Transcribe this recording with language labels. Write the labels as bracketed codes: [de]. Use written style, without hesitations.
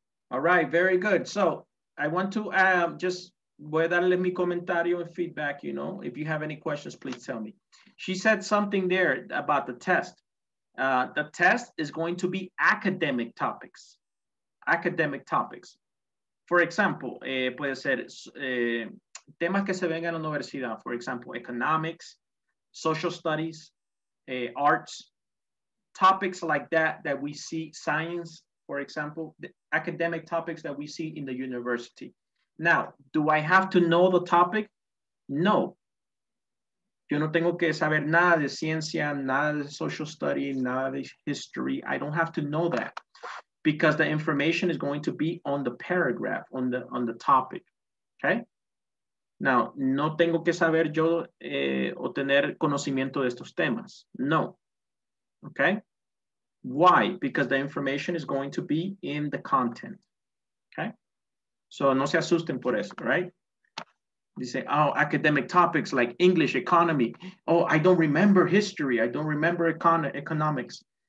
[en] All right, very good. So, I want to [es] voy a darle mi comentario [en] and feedback, you know. If you have any questions, please tell me. She said something there about the test. The test is going to be academic topics. Academic topics. For example, [es] puede ser temas que se vengan a la universidad. [en] For example, economics, social studies, arts. Topics like that we see, science, for example. The academic topics that we see in the university. Now, do I have to know the topic? No. [es] Yo no tengo que saber nada de ciencia, nada de social study, nada de history. [en] I don't have to know that because the information is going to be on the paragraph, on the topic, okay? [es] Now, no tengo que saber yo o tener conocimiento de estos temas. [en] No, okay? Why? Because the information is going to be in the content, okay? So [es] no se asusten por eso, [en] right? You say, oh, academic topics like English, economy. Oh, I don't remember history. I don't remember economics.